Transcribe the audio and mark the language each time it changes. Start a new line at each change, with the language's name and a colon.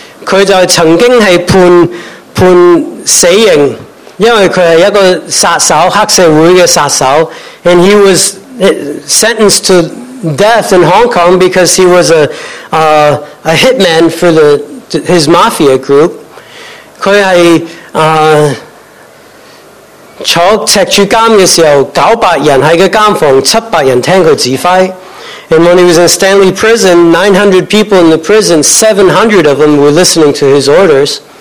Chinese: 他就曾经是判死刑，因为他是一个杀手，黑社会的杀手。
English: And he was sentenced to death in Hong Kong because he was a hitman for his mafia group.
Chinese: 他是坐赤柱监的时候，900人在监房，700人听他指挥。
English: And when he was in Stanley Prison, 900 people in the prison, 700 of them were listening to his orders.